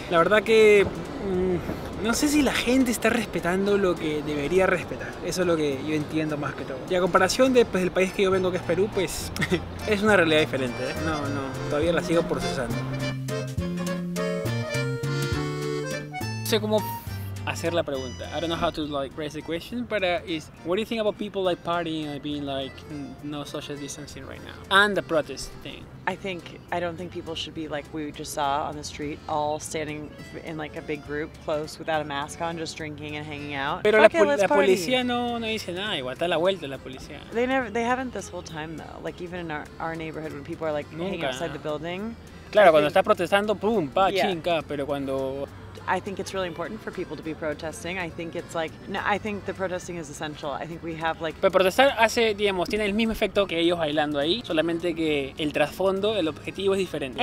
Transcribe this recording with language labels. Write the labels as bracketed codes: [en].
[es] La verdad que no sé si la gente está respetando lo que debería respetar. Eso es lo que yo entiendo más que todo. Y a comparación de, pues, del país que yo vengo, que es Perú, pues es una realidad diferente, ¿eh? No, todavía la sigo procesando. No sé cómo hacer la pregunta. [en] I don't know how to like raise the question, but what do you think about people like partying and being like no social distancing right now? And the protest thing. I don't think people should be like we just saw on the street, all standing in like a big group close without a mask on, just drinking and hanging out. [es] Pero la policía no dice nada, igual está a la vuelta la policía. [en] They haven't this whole time though. Like even in our neighborhood when people are like hanging outside the building. [es] Claro, cuando está protestando, pum, pa, chinga, pero cuando [en] I think it's really important for people to be protesting. I think it's like, no, I think the protesting is essential. I think we have like. [es] Pero protestar hace, digamos, tiene el mismo efecto que ellos bailando ahí, solamente que el trasfondo, el objetivo es diferente.